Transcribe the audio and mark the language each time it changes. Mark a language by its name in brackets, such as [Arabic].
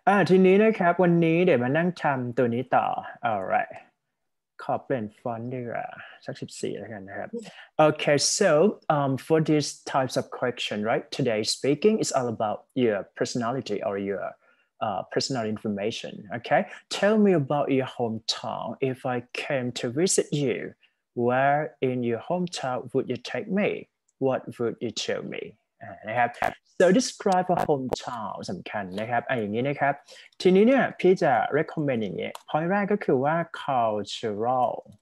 [Thai] ทีนี้นะครับวันนี้เดี๋ยวมานั่งทำตัวนี้ต่อ [English] All right. [Thai] ขอเปลี่ยนฟอนต์ดีกว่าสัก14แล้วกันนะครับ [English] Okay, so for these types of question, right? Today speaking is all about your personality or your personal information. Okay, tell me about your hometown. If I came to visit you, where in your hometown would you take me? What would you show me? [Thai] นะครับ [English] so describe a hometown [Thai] สำคัญนะครับอย่างนี้นะครับทีนี้เนี่ยพี่จะ recommend อย่างนี้ point แรกก็คือว่า cultural